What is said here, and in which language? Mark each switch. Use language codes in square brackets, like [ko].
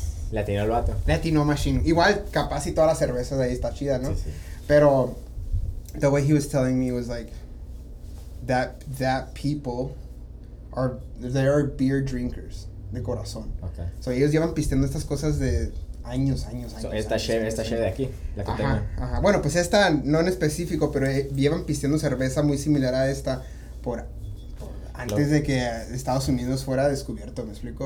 [es] Latino el vato. [en] Latino machine. [es] Igual, capaz y toda la cerveza de ahí está chida, ¿no? Sí, sí. [en] Pero, the way he was telling me was like, that people are, they are beer drinkers [es] de corazón. [en] Okay. [es] So, ellos llevan pisteando estas cosas de años. So, esta cheve de aquí, la que tengo. Ajá. Bueno, pues esta, no en específico, pero llevan pisteando cerveza muy similar a esta por antes de que Estados Unidos fuera descubierto, ¿me explico?